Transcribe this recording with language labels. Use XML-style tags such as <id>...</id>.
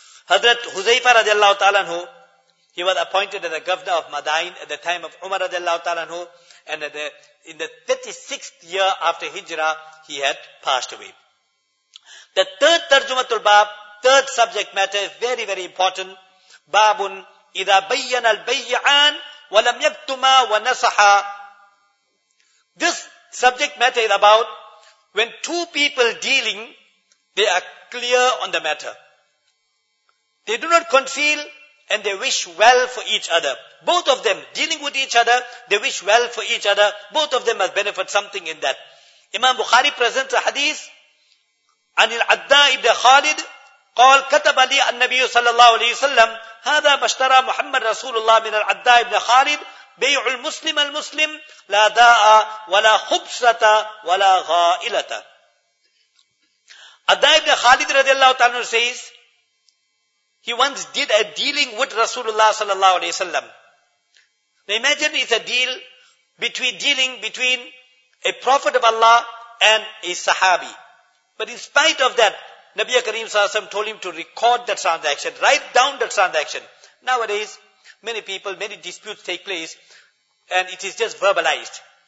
<en>Hadrat Huzaifa radiallahu ta'ala, he was appointed as the governor of Madain at the time of Umar radiallahu ta'ala, and in the 36th year after Hijrah, he had passed away. The third tarjumatul bab, third subject matter, is very, very important.</en> <ar>Babun إِذَا بَيَّنَ الْبَيِّعَانِ وَلَمْ يَكْتُمَا وَنَسَحَا.</ar> <en>This subject matter is about when two people dealing, they are clear on the matter. They do not conceal and they wish well for each other. Both of them dealing with each other, they wish well for each other. Both of them must benefit something in that. Imam Bukhari presents a hadith</en> <ar>عن العداء ابن خالد قال كتب لي النبي صلى الله عليه وسلم هذا ما اشترى محمد رسول الله من العداء ابن خالد بيع المسلم المسلم لا داء ولا خبصة ولا غائلة.</ar> <en>عداء ابن خالد رضي الله تعالى عنه says he once did a dealing with رسول الله صلى الله عليه وسلم. Now imagine it's a deal between a prophet of Allah and a sahabi. But in spite of that, Nabi Kareem Sallallahu Alaihi Wasallam told him to record that transaction, write down that transaction. Nowadays, many disputes take place, and it is just verbalized.</en>